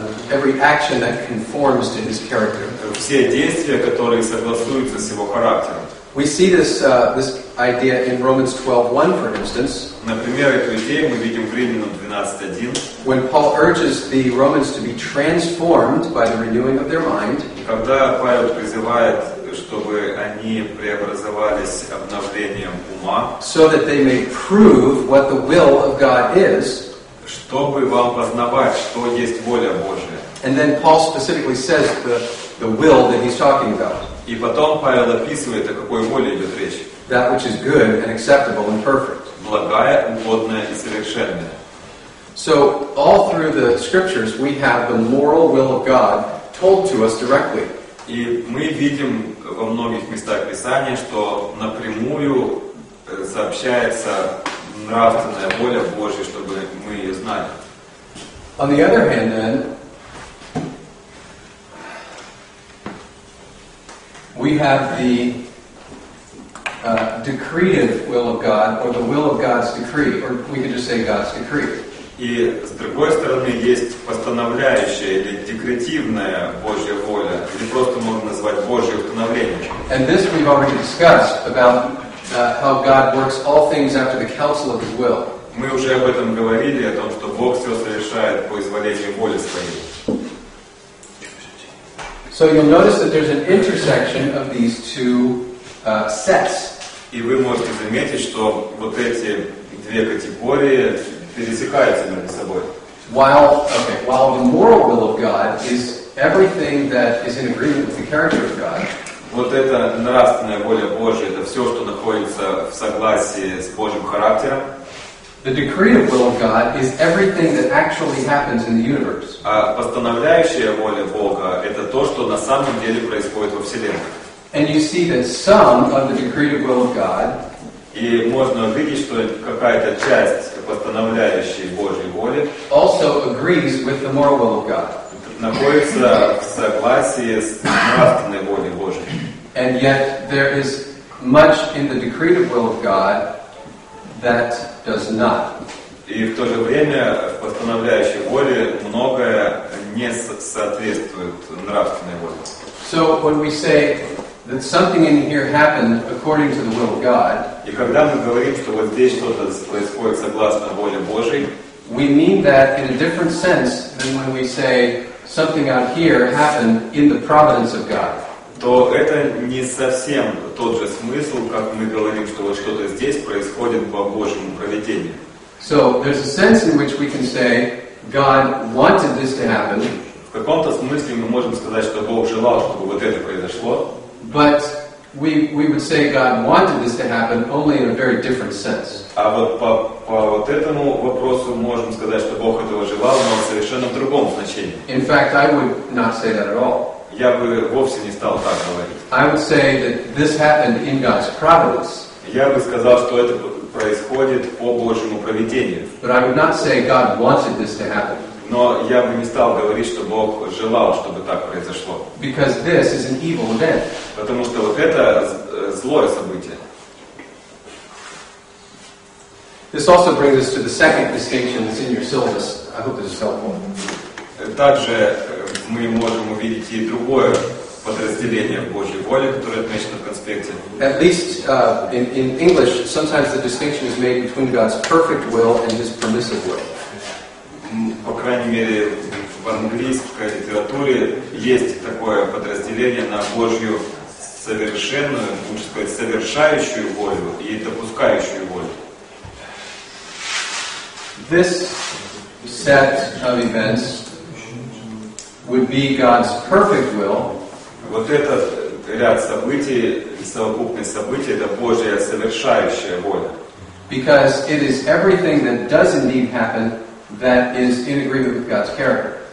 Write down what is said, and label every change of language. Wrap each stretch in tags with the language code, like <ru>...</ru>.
<en>Every action that conforms to His character.</en> <ru>Все действия, которые согласуются с Его характером.</ru> <en>We see this idea in Romans 12:1, for instance.</en> <ru>Например, эту идею мы видим в Римлянам 12:1.</ru> <en>When Paul urges the Romans to be transformed by the renewing of their mind.</en> <ru>Когда Павел призывает, чтобы они преобразовались обновлением ума.</ru> <en>So that they may prove what the will of God is.</en> <ru>Чтобы вам познавать, что есть воля Божья.</ru> <en>And then Paul specifically says the will that he's talking about.</en> <ru>И потом Павел описывает, о какой воле идет речь.</ru> <en>That which is good and acceptable and perfect.</en> <ru>Благая, угодная и совершенная.</ru> <en>So all through the scriptures we have the moral will of God told to us directly.</en> <ru>И мы видим во многих местах Писания, что напрямую сообщается нравственная воля Божья, чтобы мы ее знали.</ru> <en>On the other hand, then, we have the decreed will of God, or the will of God's decree, or we could just say God's decree.</en> <ru>И с другой стороны есть постановляющая или декретивная Божья воля, или просто можно назвать Божье установление.</ru> <en>And this we've already discussed about how God works all things after the counsel of His will.</en> <ru>Мы уже об этом говорили, о том, что Бог все совершает по изволению воли Своей.</ru> <en>So you'll notice that there's an intersection of these two sets.</en> <ru>И вы можете заметить, что вот эти две категории пересекаются между собой.</ru> <en>While the moral will of God is everything that is in agreement with the character of God.</en> <ru>Вот эта нравственная воля Божья, это все, что находится в согласии с Божьим характером.</ru> <en>The decreed will of God is everything that actually happens in the universe.</en> <ru>А постановляющая воля Бога — это то, что на самом деле происходит во Вселенной.</ru> <en>And you see that some of the decreed will of God.</en> <ru>И можно увидеть, что какая-то часть постановляющей Божьей воли</ru> <en>also agrees with the moral will of God.</en> <ru>Находится в согласии с нравственной волей Божьей.</ru> <en>And yet there is much in the decreed will of God that does not.</en> <ru>И в то же время в постановляющей воле многое не соответствует нравственной воле.</ru> <en>So when we say that something in here happened according to the will of God,</en> <ru>и когда мы говорим, что вот здесь что-то происходит согласно воле Божьей,</ru> <en>We mean that in a different sense than when we say something out here happened in the providence of God.</en> <ru>То это не совсем тот же смысл, как мы говорим, что вот что-то здесь происходит по Божьему проведению.</ru> <en>So there's a sense in which we can say God wanted this to happen.</en> <ru>В каком-то смысле мы можем сказать, что Бог желал, чтобы вот это произошло.</ru> <en>But we would say God wanted this to happen only in a very different sense.</en> <ru>А вот по вот этому вопросу можем сказать, что Бог этого желал, но в совершенно другом значении.</ru> <en>In fact, I would not say that at all.</en> <ru>Я бы вовсе не стал так говорить.</ru> <en>I would say that this happened in God's providence.</en> <ru>Я бы сказал, что это происходит по Божьему провидению.</ru> <en>But I would not say God wanted this to happen.</en> <ru>Но я бы не стал говорить, что Бог желал, чтобы так произошло.</ru> <en>Because this is an evil event.</en> <ru>Потому что вот это злое событие.</ru> <en>This also brings us to the second distinction that's in your syllabus. I hope this is helpful.</en> <ru>Также мы можем увидеть и другое подразделение Божьей воли, которое отмечено в конспекте.</ru> <en>At least in English, sometimes the distinction is made between God's perfect will and His permissive will.</en> <ru>По крайней мере, в английской литературе есть такое подразделение на Божью совершенную, можно сказать, совершающую волю и допускающую волю.</ru> <en>This set of events would be God's perfect will.</en> <ru>Вот этот ряд событий и совокупность событий — это Божья совершающая воля.</ru> <en>Because it is everything that does indeed happen that is in agreement with God's character.</en>